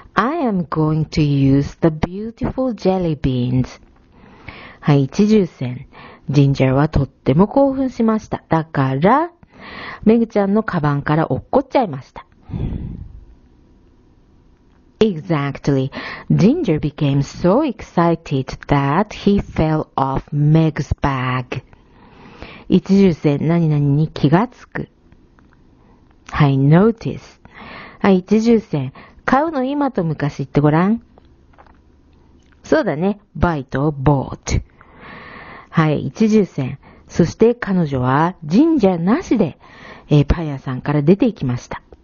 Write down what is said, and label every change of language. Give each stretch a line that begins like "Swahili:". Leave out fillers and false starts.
English: I am going to use the beautiful jelly beans.
Japanese: はい、一重線。ジンジャーはとっても興奮しました。だから、メグちゃんのカバンから落っこっちゃいました。
English: Exactly. Ginger became so excited that he fell off Meg's bag.
Japanese: 一重線、何々に気がつく。はい、notice. はい、一重線。買うの今と昔言ってごらん。そうだね。buy と bought。はい、一重線。そして彼女は神社なしで、パン屋さんから出て行きました。